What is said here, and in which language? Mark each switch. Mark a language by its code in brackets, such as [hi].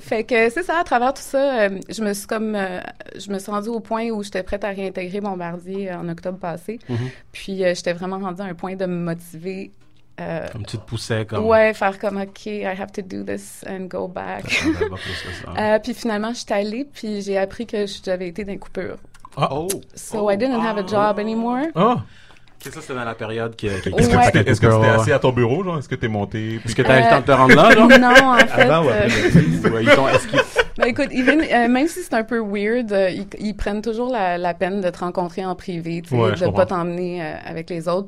[fr] Fait que c'est ça, à travers tout ça, je me suis rendue au point où j'étais prête à réintégrer Bombardier en octobre passé. Mm-hmm. Puis j'étais vraiment rendue à un point de me motiver. Comme tu te poussais, comme... Ouais, faire comme, [en] OK, I have to do this and go back. [fr] Puis finalement, je suis allée, puis j'ai appris que j'avais été dans une coupure. [en] I didn't have a job anymore. [fr] Ça, c'était dans la période qui... Est-ce que tu étais assis à ton bureau, genre? Est-ce que t'es monté? Puis... Est-ce que t'as le temps de te rendre là, genre? Même si c'est un peu weird, ils prennent toujours la peine de te rencontrer en privé, de pas t'emmener avec les autres.